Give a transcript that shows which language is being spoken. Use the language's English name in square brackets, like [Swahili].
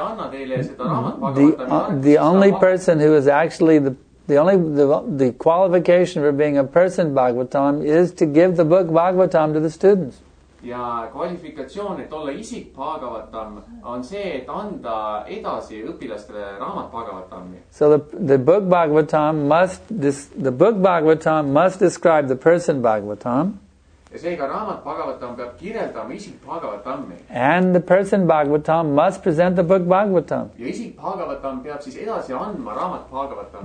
[English] The only person who is actually the qualification for being a person Bhagavatam is to give the book Bhagavatam to the students. [Estonian] Ja kvalifikatsioon, et olla isik Bhagavatam, on see, et anda edasi õpilastele raamat Bhagavatami. [English] So the book Bhagavatam must the book Bhagavatam must describe the person Bhagavatam. [Estonian] Ja seega raamat Bhagavatam peab kirjeldama isik Bhagavatami. [English] And the person Bhagavatam must present the book Bhagavatam. [Estonian] Ja isik Bhagavatam peab siis edasi andma raamat Bhagavatam.